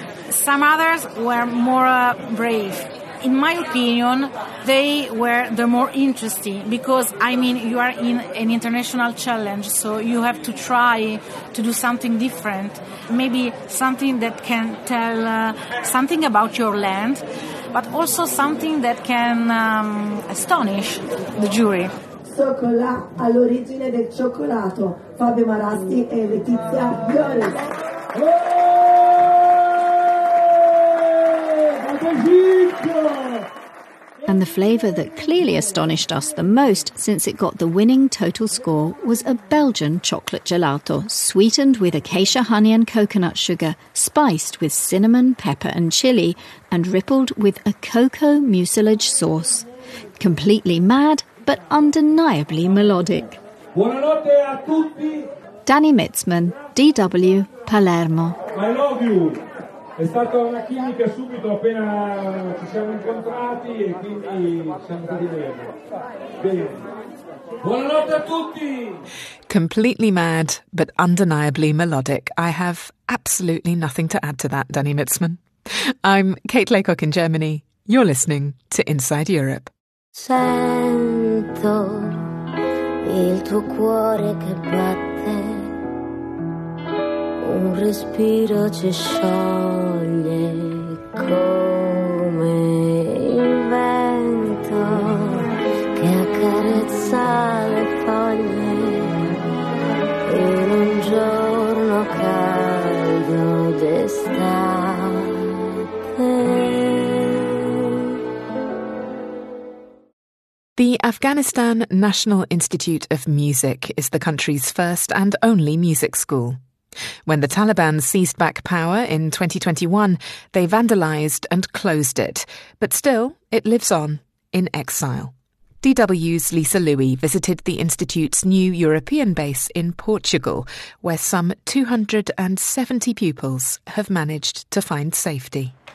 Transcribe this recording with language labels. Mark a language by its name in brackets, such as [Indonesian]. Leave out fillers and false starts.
[English] Some others were more brave. In my opinion, they were the more interesting because, I mean, you are in an international challenge, so you have to try to do something different, maybe something that can tell something about your land, but also something that can astonish the jury. [Italian] Cioccolà all'origine del cioccolato, Fabio Marasti e Letizia Viore. [English] And the flavour that clearly astonished us the most, since it got the winning total score, was a Belgian chocolate gelato, sweetened with acacia honey and coconut sugar, spiced with cinnamon, pepper and chilli, and rippled with a cocoa mucilage sauce. Completely mad, but undeniably melodic. [Italian] Buonanotte a tutti! [English] Danny Mitzman, DW, Palermo. I love you! [Italian] È stata una chimica subito appena ci siamo incontrati e quindi siamo stati bene. Bene. Buonanotte a tutti! [English] Completely mad, but undeniably melodic. I have absolutely nothing to add to that, Danny Mitzman. I'm Kate Laycock in Germany. You're listening to Inside Europe. [Italian] Sento il tuo cuore che batte. Un respiro ci scioglie come il vento che accarezza le foglie in un giorno caldo d'estate. [English] The Afghanistan National Institute of Music is the country's first and only music school. When the Taliban seized back power in 2021, they vandalised and closed it. But still, it lives on in exile. DW's Lisa Louis visited the institute's new European base in Portugal, where some 270 pupils have managed to find safety.